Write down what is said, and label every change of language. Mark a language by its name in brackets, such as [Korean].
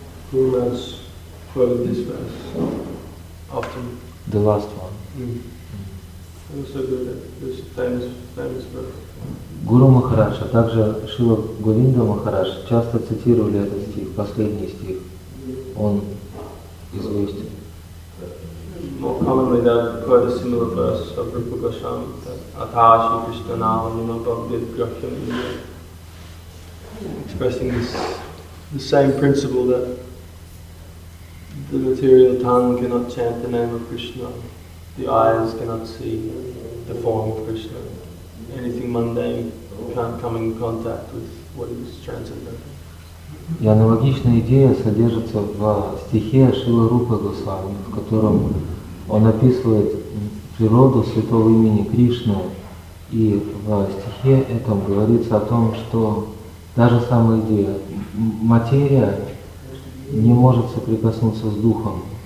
[English] Who has heard this verse often? The last one. Mm. Also good. This famous verse. [Russian] Guru Maharaj, а также Шрила Говинда Махарадж часто цитировали этот стих, последний стих. Он известен. [English] More commonly, they've heard a similar verse of Rupa Goswami, Atashi Krishna Nama, expressing this, the same principle that the material tongue cannot chant the name of Krishna, the eyes cannot see the form of Krishna, anything mundane can't come in contact with what is transcendental. [Russian] И аналогичная идея содержится в стихе Шрила Рупа Госвами, в котором он описывает природу святого имени Кришны, и в стихе этом говорится о том, что та же самая идея. Материя не может соприкоснуться с духом.